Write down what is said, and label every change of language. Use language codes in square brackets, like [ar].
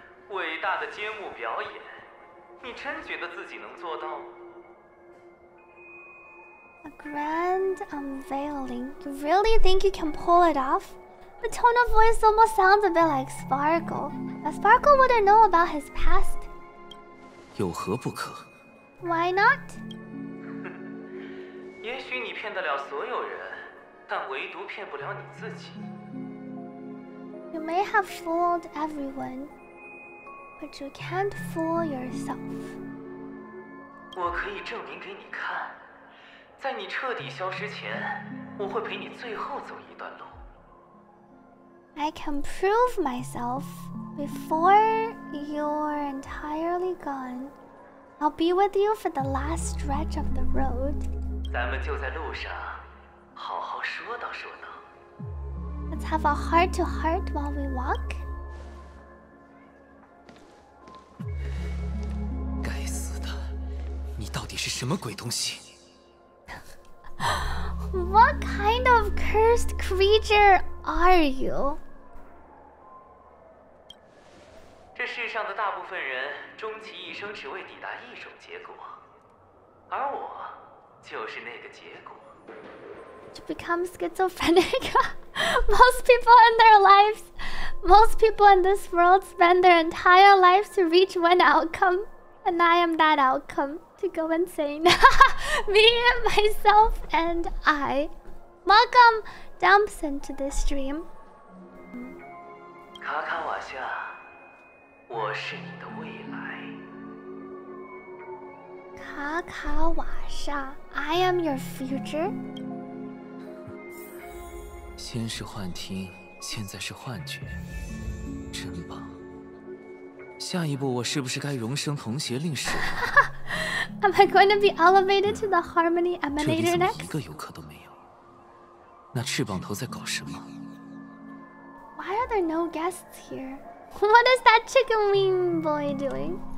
[zh] 伟大的揭幕表演，你真觉得自己能做到？ [en] A grand unveiling. You really think you can pull it off? The tone of voice almost sounds a bit like Sparkle. But Sparkle wouldn't know about his past. [zh] 有何不可? [en] Why not? [zh] 也许你骗得了所有人，但唯独骗不了你自己。 [en] You may have fooled everyone, but you can't fool yourself. [zh] 我可以证明给你看。在你彻底消失前，我会陪你最后走一段路。 [en] I can prove myself before you're entirely gone. I'll be with you for the last stretch of the road. [zh] 咱们就在路上，好好说道说道。 [en] Let's have a heart to heart while we walk. [zh] 该死的，你到底是什么鬼东西？ [en] What kind of cursed creature are you? [zh] 这世上的大部分人终其一生只为抵达一种结果，而我就是那个结果。 [en] To become schizophrenic, most people in this world spend their entire lives to reach one outcome, and I am that outcome. To go insane. Me, myself, and I. Welcome, Dumpson, to this stream. [zh] Kakawasha, 我是你的未来 [en] Kakawasha, I am your future. [zh] 先是幻听，现在是幻觉，真棒。下一步我是不是该荣升童鞋令使？ [en] Am I going to be elevated to the harmony emanator next? [zh] 这里怎么一个游客都没有？那翅膀头在搞什么？ [en] Why are there no guests here? What is that chicken wing boy doing?